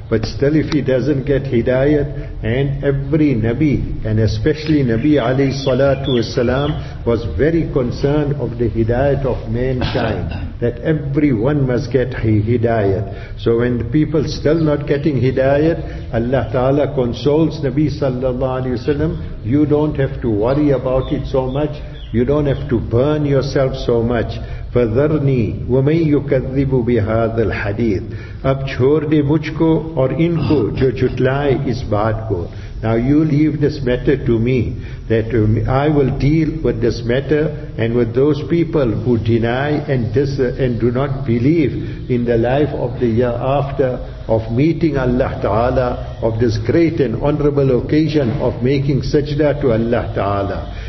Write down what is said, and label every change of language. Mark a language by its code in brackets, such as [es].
[en] But still, if he doesn't get hidayat, and every Nabi, and especially Nabi alayhi salatu wasalam, was very concerned of the hidayat of mankind, that everyone must get hidayat. So when the people still not getting hidayat, Allah Ta'ala consoles Nabi sallallahu alayhi wasalam, you don't have to worry about it so much, you don't have to burn yourself so much. [ar] فَذَرْنِي وَمَنْ يُكَذِّبُ بِهَذَا الْحَدِيثِ. [ur] اب چھوڑ دے مجھ کو اور ان کو جو جھٹلائے اس بات کو. [en] Now you leave this matter to me, that I will deal with this matter and with those people who deny and do not believe in the life of the year after, of meeting Allah Ta'ala, of this great and honorable occasion of making sajda to Allah Ta'ala.